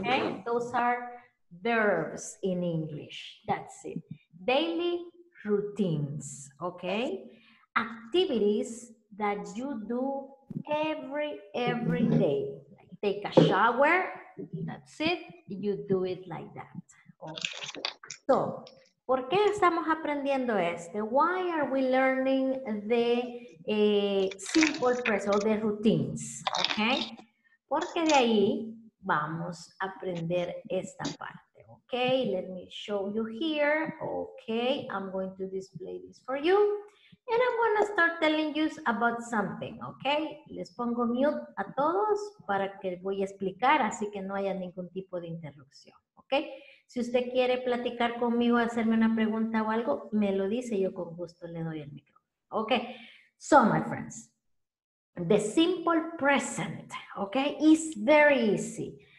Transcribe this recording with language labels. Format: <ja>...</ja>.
<en>okay, those are verbs in English, that's it, daily routines, okay, activities that you do every day, like take a shower, that's it, you do it like that, okay, so,</en> <es>¿por qué estamos aprendiendo este?</es> <en>Why are we learning the simple present or the routines? Okay?</en> <es>Porque de ahí vamos a aprender esta parte.</es> <en>Okay, let me show you here. Okay, I'm going to display this for you. And I'm going to start telling you about something.</en> <es>Okay, les pongo mute a todos para que voy a explicar así que no haya ningún tipo de interrupción. Okay? Si usted quiere platicar conmigo, hacerme una pregunta o algo, me lo dice, yo con gusto le doy el micrófono.</es> <en>Okay, so my friends, the simple present, okay, is very easy.</en>